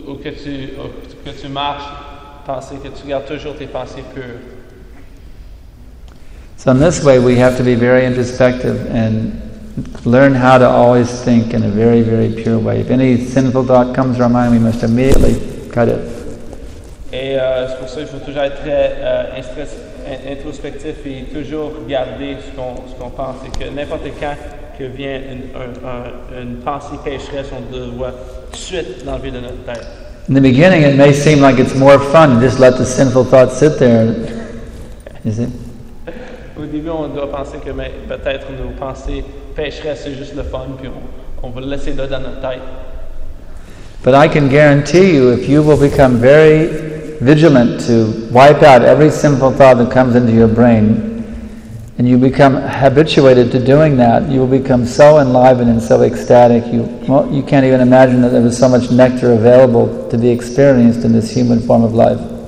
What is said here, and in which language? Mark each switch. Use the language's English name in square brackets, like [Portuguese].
[French] Ou que tu marches, penser que tu gardes toujours tes pensées pures. [English] So in this way we have to be very introspective and learn how to always think in a very, very pure way. If any sinful thought comes to our mind, we must immediately cut it. [French] Et c'est pour ça qu'il faut toujours être très introspectif et toujours garder ce qu'on pense. Et que n'importe quand que vient une pensée pécheresse, on doit tout de suite l'enlever de notre tête. [English] In the beginning, it may seem like it's more fun to just let the sinful thought sit there. Is it? [French] Au début, on doit penser que peut-être nos pensées pécheresses, c'est juste le fun, puis on va le laisser là dans notre tête. [English] But I can guarantee you, if you will become very vigilant to wipe out every sinful thought that comes into your brain, and you become habituated to doing that, you will become so enlivened and so ecstatic, you can't even imagine that there was so much nectar available to be experienced in this human form of life.